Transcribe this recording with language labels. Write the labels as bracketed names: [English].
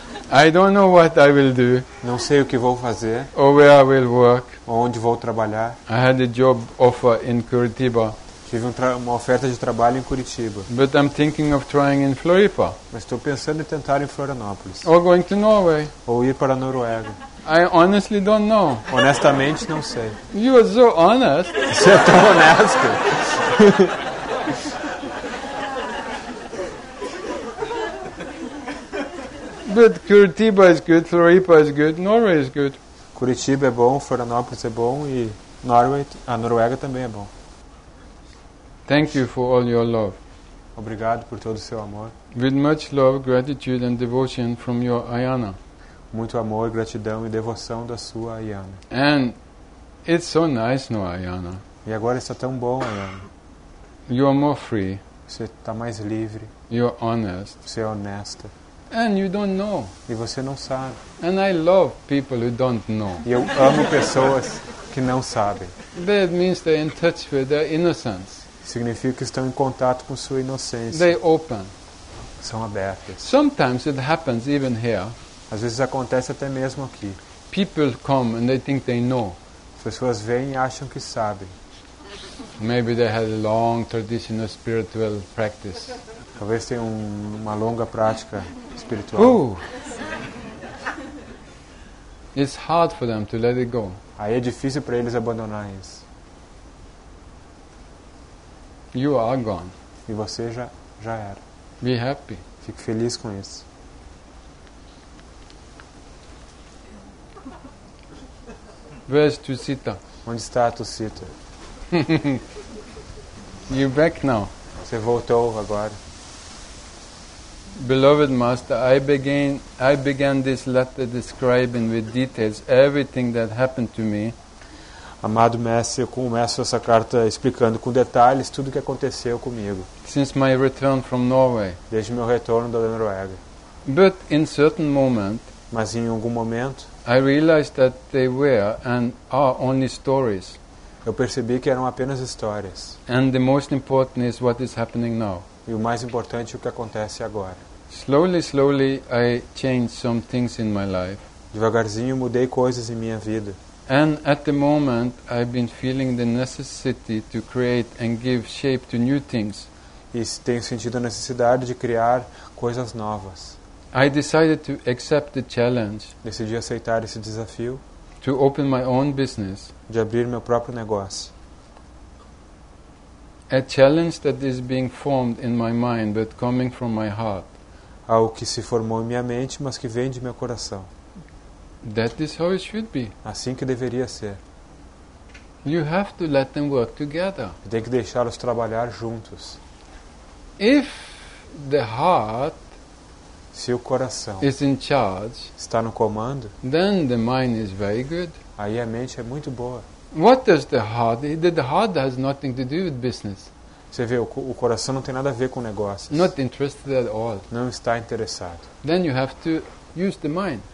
[English] I don't know what I will do. [Portuguese] Não sei o que vou fazer. [English] Or where I will work. [Portuguese] Onde vou trabalhar? [English] I had a job offer in Curitiba. [Portuguese] Tive uma oferta de trabalho em Curitiba. [English] But I'm thinking of trying in Floripa. [Portuguese] Mas estou pensando em tentar em Florianópolis. [English] Or going to Norway. [Portuguese] Ou ir para a Noruega. [English] I honestly don't know. [Portuguese] Honestamente, não sei. [English] You are so honest. [Portuguese] Você é tão honesto. [English] But Curitiba is good, Floripa is good, Norway is good. [Portuguese] Curitiba é bom, Florianópolis é bom e a Noruega também é bom. [English] Thank you for all your love. [Portuguese] Obrigado por todo o seu amor. [English] With much love, gratitude and devotion from your Ayana. [Portuguese] Muito amor, gratidão e devoção da sua Ayana. [English] And it's so nice now, Ayana. [Portuguese] E agora está tão bom, Ayana. [English] You are more free. [Portuguese] Você está mais livre. [English] You are honest. [Portuguese] Você é honesta. [English] And you don't know. [Portuguese] E você não sabe. [English] And I love people who don't know. [Portuguese] E eu amo pessoas que não sabem. [English] That means they're in touch with their innocence. [Portuguese] Significa que estão em contato com sua inocência. [English] They open. [Portuguese] São abertas. [English] Sometimes it happens even here. [Portuguese] Às vezes acontece até mesmo aqui. [English] People come and they think they know. [Portuguese] Pessoas vêm e acham que sabem. [English] Maybe they had a long tradition of spiritual practice. [Portuguese] Talvez tenha uma longa prática espiritual. Ooh. [English] It's hard for them to let it go. [Portuguese] Aí é difícil para eles abandonar isso. [English] You are gone. [Portuguese] E você já era. [English] Be happy. [Portuguese] Fique feliz com isso. [English] Where's Tucita? [Portuguese] Onde está a Tucita? [English] You're back now. [Portuguese] Você voltou agora. [English] Beloved Master, I began this letter describing with details everything that happened to me. [Portuguese] Amado Mestre, eu começo essa carta explicando com detalhes tudo o que aconteceu comigo. [English] Since my return from Norway. [Portuguese] Desde meu retorno da Noruega. [English] But in certain moment. [Portuguese] Mas em algum momento. [English] I realized that they were and are only stories. [Portuguese] Eu percebi que eram apenas histórias. [English] And the most important is what is happening now. [Portuguese] E o mais importante é o que acontece agora. [English] Slowly, slowly, I changed some things in my life. [Portuguese] Devagarzinho, mudei coisas em minha vida. [English] And at the moment, I've been feeling the necessity to create and give shape to new things. [Portuguese] E tenho sentido a necessidade de criar coisas novas. [English] I decided to accept the challenge. [Portuguese] Decidi aceitar esse desafio. [English] To open my own business. [Portuguese] De abrir meu próprio negócio. [English] A challenge that is being formed in my mind, but coming from my heart. [Portuguese] Algo que se formou em minha mente, mas que vem de meu coração. [English] That is how it should be. [Portuguese] Assim que deveria ser. [English] You have to let them work together. [Portuguese] Tem que deixá-los trabalhar juntos. [English] If the heart, [Portuguese] se o coração [English] is in charge, [Portuguese] está no comando, [English] then the mind is very good. [Portuguese] Aí a mente é muito boa. [English] What does the heart? The heart has nothing to do with business. [Portuguese] Você vê, o coração não tem nada a ver com negócios. [English] Not interested at all. [Portuguese] Não está interessado. [English] Then you have to use the mind.